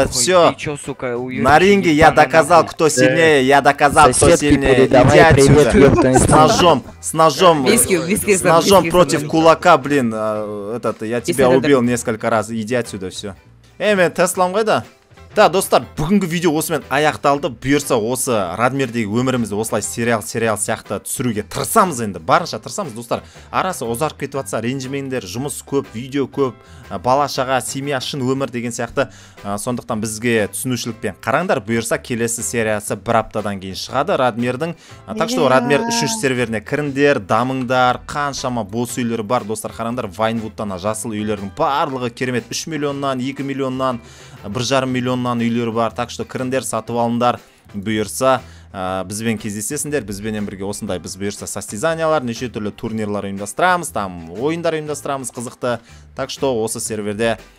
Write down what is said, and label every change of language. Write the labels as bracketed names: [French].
[Russian] нахуй. Все. Ты чё, сука, на ринге я доказал, кто сильнее. Я доказал, кто сильнее. Иди отсюда. С ножом. Виски, с ножом против кулака, блин. Я тебя убил несколько раз. Иди отсюда, все. [Kazakh] Мен Теслам ғой да? Да, достар, бүгінгі видео осымен аяқталды. Бұйырса осы Радмирдегі өмірімізді осылай сериал сияқты түсіруге тырысамыз енді. Барынша тырысамыз, достар. Арасы ұзарып кетіп атса, ренжімеңдер, жұмыс көп, видео көп, балашаға, семья, шын өмір деген сияқты. Сондықтан бізге түсінушілікпен қараңдар. Бұйырса келесі сериясы бір аптадан кейін шығады Радмирдің. [Russian] Так что [Kazakh] Радмир 3-ші серверіне кіріңдер, дамыңдар. Қаншама бос үйлер бар, достар, қараңдар. Вайнвудтан жасыл үйлердің барлығы керемет. 3 миллионнан, 2 миллионнан, 1,5 миллион оннан үйлер бар, [Russian] так что [Kazakh] кіріңдер, сатып алыңдар. Бұйырса бізбен кездесесіңдер, бізбенен бірге осындай біз бұйырса состязаниялар, неше түрлі турнирлар ұйымдастырамыз, там ойындар ұйымдастырамыз қызықты. Так что осы серверде